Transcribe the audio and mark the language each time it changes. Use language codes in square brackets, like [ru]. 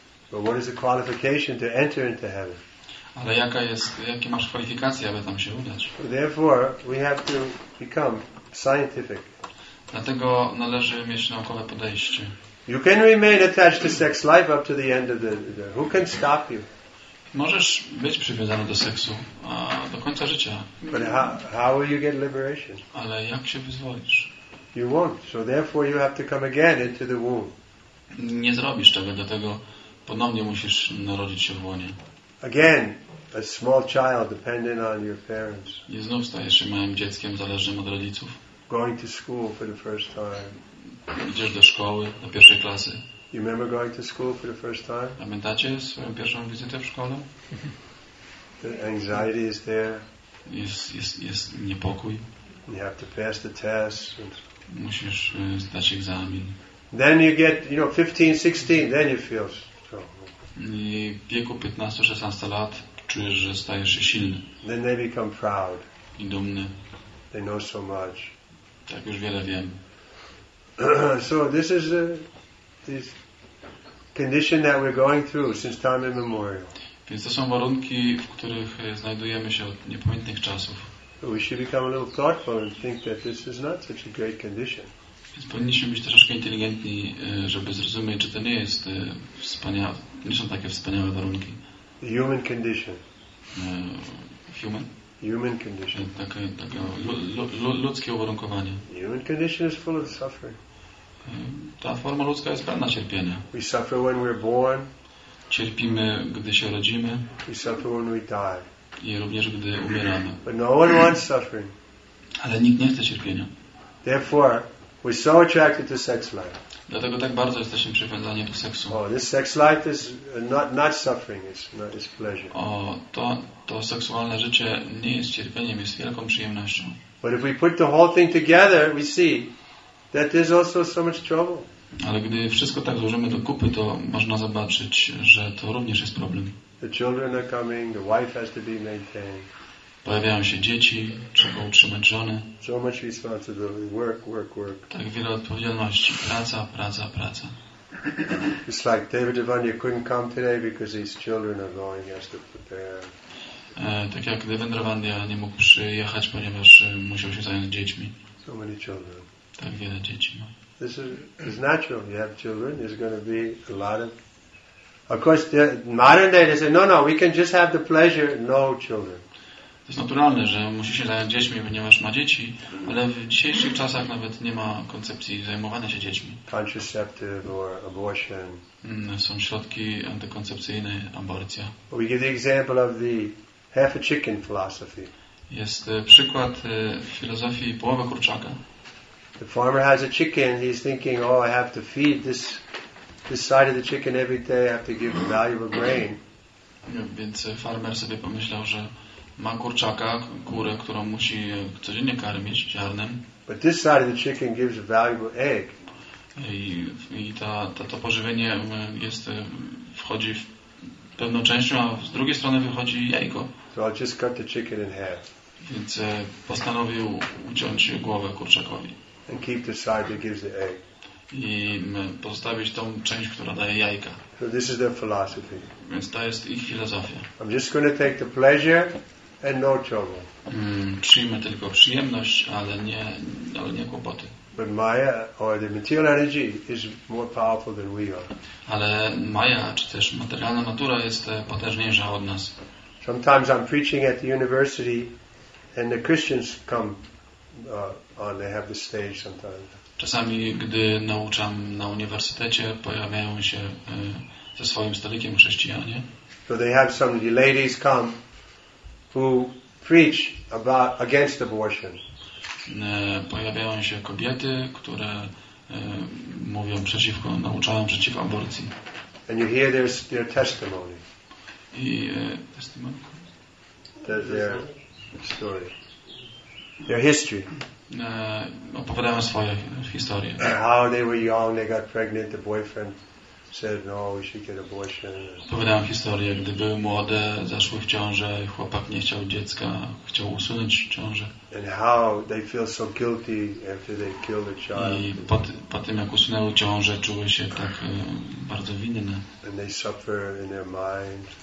[en] But what is the qualification to enter into heaven? [pl] Ale jaka jest, jakie masz kwalifikacje, aby tam się udać? [en] Therefore, we have to become scientific. [pl] Dlatego należy mieć naukowe podejście. [en] You can remain attached to sex life up to the end of the who can stop you? [pl] Możesz być przywiązany do seksu do końca życia. [en] But how will you get liberation? [pl] Ale jak się wyzwolisz? [en] You won't. So therefore you have to come again into the womb. [pl] Nie zrobisz tego, dlatego ponownie musisz narodzić się w łonie. [en] Again, a small child dependent on your parents. [pl] I znów stajesz się małym dzieckiem zależnym od rodziców. [en] Going to school for the first time. [pl] Idziesz do szkoły, do pierwszej klasy. [en] You remember going to school for the first time? [pl] Pamiętacie swoją pierwszą wizytę w szkole? [en] The anxiety is there. [pl] Jest niepokój. [en] You have to pass the test. [pl] Musisz zdać egzamin. [en] Then you get, you know, 15, 16, then you feel strong. [pl] I w wieku 15-16 lat czujesz, że stajesz się silny. [en] Then they become proud. [pl] I dumny. [en] They know so much. [pl] Tak już wiele wiem. [en] So this is this condition that we're going through since time immemorial. [pl] Więc to są warunki, w których znajdujemy się od niepamiętnych czasów. [en] We should become a little thoughtful and think that this is not such a great condition. [pl] Więc powinniśmy być troszkę inteligentni, żeby zrozumieć, czy to nie jest wspaniałe, nie są takie wspaniałe warunki. [en] The human condition. Human? Human condition. [pl] Takie ludzkie uwarunkowanie. [en] Human condition is full of suffering. [pl] Ta forma ludzka jest pełna cierpienia. [en] We suffer when we're born. [pl] Cierpimy, gdy się rodzimy. [en] We suffer when we die. [pl] I również, gdy umieramy. [en] But no one wants suffering. [pl] Ale nikt nie chce cierpienia. [en] Therefore, we're so attracted to sex life. [pl] Dlatego tak bardzo jesteśmy przywiązani do seksu. [en] Oh, this sex life is not suffering, it's pleasure. [pl] O, to seksualne życie nie jest cierpieniem, jest wielką przyjemnością. [en] But if we put the whole thing together, we see that there's also so much trouble. [pl] Ale gdy wszystko tak złożymy do kupy, to można zobaczyć, że to również jest problem. [en] The children are coming, the wife has to be maintained. [pl] Pojawiają się dzieci, trzeba utrzymać żony. [en] So much responsibility, work. [pl] Tak wiele odpowiedzialności, praca. [en] It's like David Devanya couldn't come today because his children are going, he has to prepare. [pl] Tak jak Devendra Vandya nie mógł przyjechać, ponieważ musiał się zająć dziećmi. [en] So many children. [pl] Tak wiele dzieci ma. [en] It's natural, you have children, there's going to be a lot of. Of course, the modern day they say, no, we can just have the pleasure, no children. [pl] To jest naturalne, że musi się zająć dziećmi, ponieważ ma dzieci, ale w dzisiejszych czasach nawet nie ma koncepcji zajmowania się dziećmi. [en] Contraceptive or abortion. [pl] Są środki antykoncepcyjne, aborcja. [en] We give the example of the half a chicken philosophy. [pl] Jest przykład filozofii połowy kurczaka. [en] The farmer has a chicken, he's thinking, oh, I have to feed this side of the chicken every day, I have to give valuable grain. [pl] Więc farmer sobie pomyślał, że ma kurczaka, kurę, którą musi codziennie karmić ziarnem. [en] But this side of the chicken gives a valuable egg. [pl] I to pożywienie wchodzi w pewną częścią, a z drugiej strony wychodzi jajko. [en] So I'll just cut the chicken in half. [pl] Więc postanowił uciąć głowę kurczakowi. [en] And keep the side that gives the egg. [pl] I pozostawić tą część, która daje jajka. [en] So this is their philosophy. [pl] Więc to jest ich filozofia. [en] I'm just going to take the pleasure. And no trouble. [pl] Przyjmę tylko przyjemność, ale nie kłopoty. [en] But Maya or the material energy is more powerful than we are. [pl] Ale Maya czy też materialna natura jest potężniejsza od nas. [en] Sometimes I'm preaching at the university, and the Christians come on. They have the stage sometimes. [pl] Czasami gdy nauczam na uniwersytecie, pojawiają się ze swoim stolikiem chrześcijanie. [en] So they have some of the ladies come. Who preach about against abortion? [pl] Pojawiają się kobiety, które mówią przeciwko, nauczają przeciwko aborcji. [en] And you hear their testimony. [pl] I testimony. [en] Their story. Their history. [pl] Opowiadają swoje historie. [en] How they were young, they got pregnant, the boyfriend said, no, we should get abortion. [pl] Opowiadałem historię, gdy były młode, zaszły w ciążę, chłopak nie chciał dziecka, chciał usunąć ciążę. [en] And how they feel so guilty after they killed the child. [pl] I po tym, jak usunęły ciążę, czuły się tak bardzo winne. [en] And they suffer in their mind.